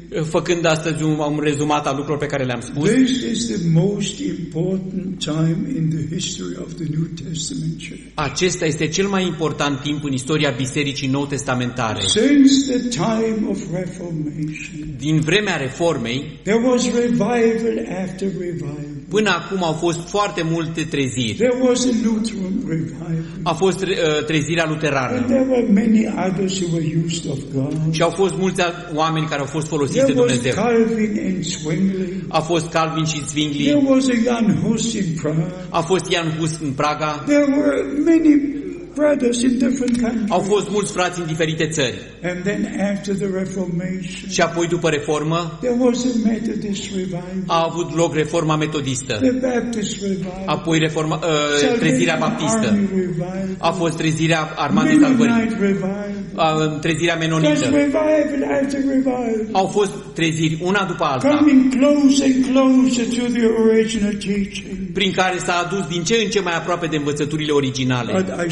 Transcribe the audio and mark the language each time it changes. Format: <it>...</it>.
<ro>Făcând astăzi un rezumat al lucrurilor pe care le-am spus.</ro> <en>This is the most important time in the history of the New Testament church.</en> <ro>Acesta este cel mai important timp în istoria bisericii nou testamentare.</ro> <en>Since the time of Reformation.</en> <ro>Din vremea reformei.</ro> <en>There was revival after revival.</en> <ro>Până acum au fost foarte multe treziri.</ro> <en>There was a Lutheran revival.</en> <ro>A fost trezirea luterană.</ro> <en>There were many others who were used of God.</en> <ro>Și au fost mulți oameni care au fost folosiți de Dumnezeu.</ro> <en>There was Calvin and Zwingli.</en> <ro>A fost Calvin și Zwingli.</ro> <en>There was a Jan Hus in Prague.</en> <ro>A fost Jan Hus în Praga.</ro> <en>There were many brothers in different countries.</en> <ro>Au fost mulți frați în diferite țări.</ro> <en>And then after the Reformation.</en> <ro>Și apoi după reformă.</ro> <en>There was a Methodist revival.</en> <ro>A avut loc reforma metodistă.</ro> <en>The Baptist revival.</en> <ro>Apoi reforma trezirea baptistă.</ro> <en>Revival.</en> <ro>A fost trezirea armatei salvării. Trezirea menonită.</ro> <en>Revival after revival.</en> <ro>Au fost treziri una după alta.</ro> <en>Coming closer and closer to the original teaching.</en> <ro>Prin care s-a adus din ce în ce mai aprope de învățăturile originale.</ro>